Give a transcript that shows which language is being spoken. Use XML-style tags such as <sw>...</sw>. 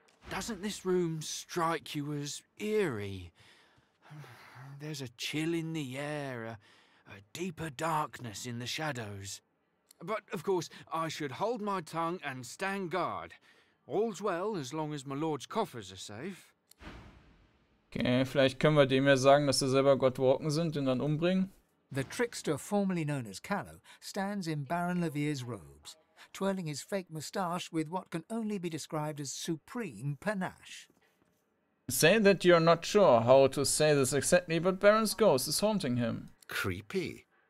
<en>Doesn't this room strike you as eerie? There's a chill in the air, a deeper darkness in the shadows. But, of course, I should hold my tongue and stand guard. All's well, as long as my lord's coffers are safe.</en> <de>Okay, vielleicht können wir dem ja sagen, dass sie selber Godwalken sind und dann umbringen.</de> <en>The trickster, formerly known as Callow, stands in Baron Levere's robes, twirling his fake moustache with what can only be described as supreme panache. Say that you're not sure how to say this exactly, but Baron's ghost is haunting him. Creepy.</en>